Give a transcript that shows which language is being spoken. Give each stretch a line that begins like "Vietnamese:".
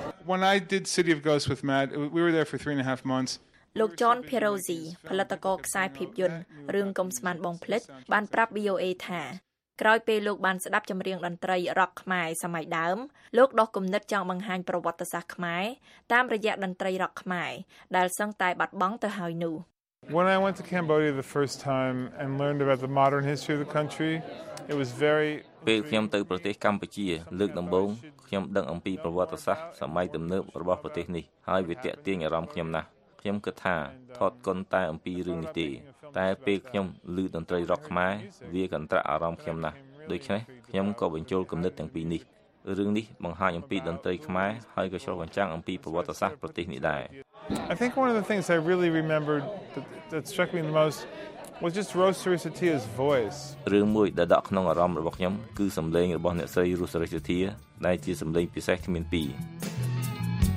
English: When I did City of Ghosts with Matt we were there for 3.5 months
Khmer: លោក John Pierozzi ផលិតករខ្សែភាពយន្តរឿងកុំស្មានបងភ្លេចបានប្រាប់ BOA ថាក្រោយពេលលោកបានស្ដាប់ចម្រៀងតន្ត្រីរ៉ក់ខ្មែរសម័យដើមលោកដោះគំនិតចង់បង្ហាញប្រវត្តិសាស្ត្រខ្មែរតាមរយៈតន្ត្រីរ៉ក់ខ្មែរដែលសឹងតែបាត់បង់ទៅហើយនោះ
English: When I went to Cambodia the first time and learned about the modern history of the country it was very
Khmer: ពេលខ្ញុំទៅប្រទេសកម្ពុជាលើកដំបូងខ្ញុំដឹងអំពីប្រវត្តិសាស្ត្រសម័យទំនើបរបស់ប្រទេសនេះហើយវាទាក់ទាញអារម្មណ៍ខ្ញុំណាស់ខ្ញុំគិតថាថតគុណតែអំពីរឿងនេះទេតែពេលខ្ញុំឮតន្ត្រីរ៉ក់ខ្មែរវាកន្ត្រាក់អារម្មណ៍ខ្ញុំណាស់ដូច្នេះខ្ញុំក៏បញ្ចូលគំនិតទាំងពីរនេះរឿងនេះបង្ហាញអំពីតន្ត្រីខ្មែរហើយក៏ឆ្លុះបញ្ចាំងអំពីប្រវត្តិសាស្ត្រប្រទេសនេះដែរ
English: I think one of the things I really remembered that struck me the most was just Rosaria Satia's voice
Khmer: រឿងមួយដែលដក់ក្នុងអារម្មណ៍របស់ខ្ញុំគឺសំឡេងរបស់អ្នកស្រី Rosaria Satia ដែលជាសំឡេងពិសេសគ្មានពីរ